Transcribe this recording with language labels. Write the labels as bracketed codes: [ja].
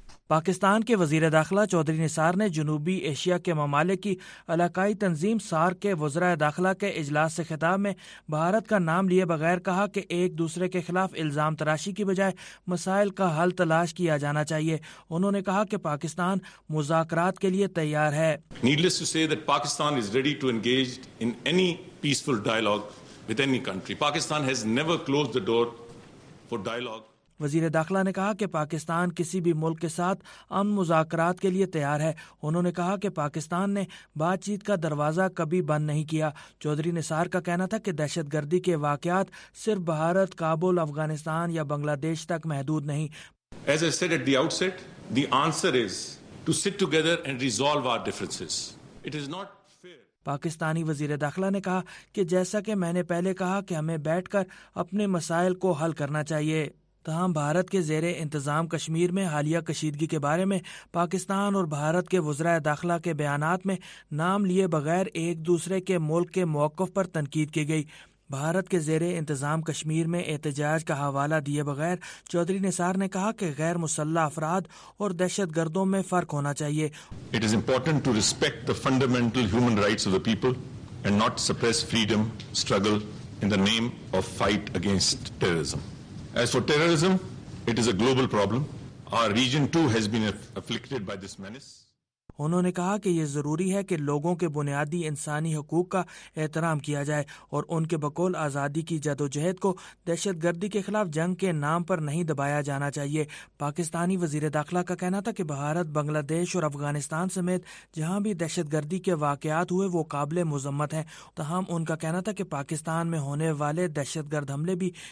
[ur] پاکستان کے وزیر داخلہ چودھری نثار نے جنوبی ایشیا کے ممالک کی علاقائی تنظیم سارک کے وزرائے داخلہ کے اجلاس سے خطاب میں بھارت کا نام لیے بغیر کہا کہ ایک دوسرے کے خلاف الزام تراشی کی بجائے مسائل کا حل تلاش کیا جانا چاہیے۔ انہوں نے کہا کہ پاکستان مذاکرات کے لیے تیار ہے۔ [en] Needless to say that Pakistan is ready to engage in any peaceful dialogue with any country. Pakistan has never closed the door for dialogue. [ur] وزیر داخلہ نے کہا کہ پاکستان کسی بھی ملک کے ساتھ امن مذاکرات کے لیے تیار ہے۔ انہوں نے کہا کہ پاکستان نے بات چیت کا دروازہ کبھی بند نہیں کیا۔ چودھری نثار کا کہنا تھا کہ دہشت گردی کے واقعات صرف بھارت، کابل، افغانستان یا بنگلہ دیش تک محدود نہیں۔ [en] As I said at the outset, the answer is to sit together and resolve our differences. It is not... [ur] Pakistani وزیر داخلہ نے کہا کہ جیسا کہ میں نے پہلے کہا کہ ہمیں بیٹھ کر اپنے مسائل کو حل کرنا چاہیے۔ تاہم بھارت کے زیر انتظام کشمیر میں حالیہ کشیدگی کے بارے میں پاکستان اور بھارت کے وزرائے داخلہ کے بیانات میں نام لیے بغیر ایک دوسرے کے ملک کے موقف پر تنقید کی گئی۔ بھارت کے زیر انتظام کشمیر میں احتجاج کا حوالہ دیے بغیر چودھری نثار نے کہا کہ غیر مسلح افراد اور دہشت گردوں میں فرق ہونا چاہیے۔ [en] It is important to respect the fundamental human rights of the people and not suppress freedom struggle in the name of fight against terrorism. As for terrorism, it is a global problem. Our region too has been afflicted by this menace. [ur] انہوں نے کہا کہ یہ ضروری ہے کہ لوگوں کے بنیادی انسانی حقوق کا احترام کیا جائے، اور ان کے بقول آزادی کی جدوجہد کو دہشت گردی کے خلاف جنگ کے نام پر نہیں دبایا جانا چاہیے۔ پاکستانی وزیر داخلہ کا کہنا تھا کہ بھارت، بنگلہ دیش اور افغانستان سمیت جہاں بھی دہشت گردی کے واقعات ہوئے وہ قابل مذمت ہیں۔ تاہم ان کا کہنا تھا کہ پاکستان میں ہونے والے دہشت گرد حملے بھی